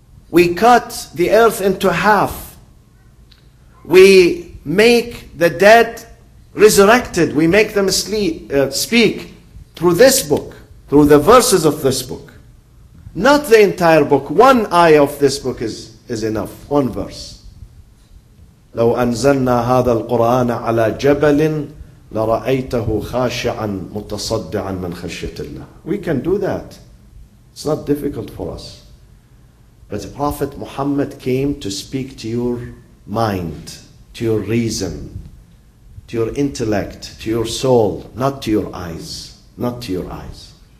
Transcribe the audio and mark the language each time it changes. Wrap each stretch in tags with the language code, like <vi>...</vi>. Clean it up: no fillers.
<en>We cut the earth into half. We make the dead resurrected. We make them speak through this book, through the verses of this book. Not the entire book. One ayah of this book is enough. One verse.</en> <ar>لو أنزلنا هذا القرآن على جبل لرأيته خاشعا متصدعا من خشية الله.</ar> <en>We can do that. It's not difficult for us. But the Prophet Muhammad came to speak to your mind, to your reason, to your intellect, to your soul, not to your eyes, not to your eyes.</en>